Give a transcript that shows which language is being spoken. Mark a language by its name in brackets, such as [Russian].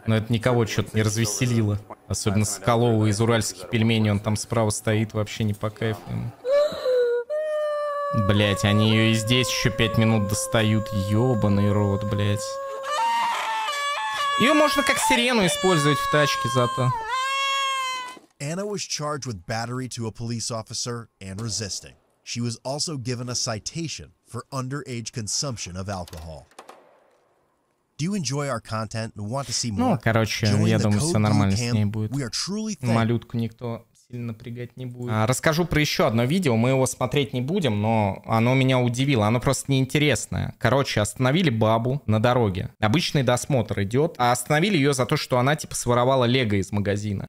[Russian] Но это никого что-то не развеселило. Особенно Соколову из уральских пельменей, он там справа стоит, вообще не по кайфу. Блять, они ее и здесь еще 5 минут достают. Ёбаный рот, блять. Ее можно как сирену использовать в тачке зато. [English] Anna was charged with battery to a police officer and resisting. She was also given a citation for underage consumption of alcohol. Do you enjoy our content and want to see more? [Russian] Ну, короче, join я думаю, все нормально с ней будет. Малютку никто сильно напрягать не будет. Расскажу про еще одно видео, мы его смотреть не будем, но оно меня удивило, оно просто неинтересное. Короче, остановили бабу на дороге, обычный досмотр идет, а остановили ее за то, что она типа своровала лего из магазина.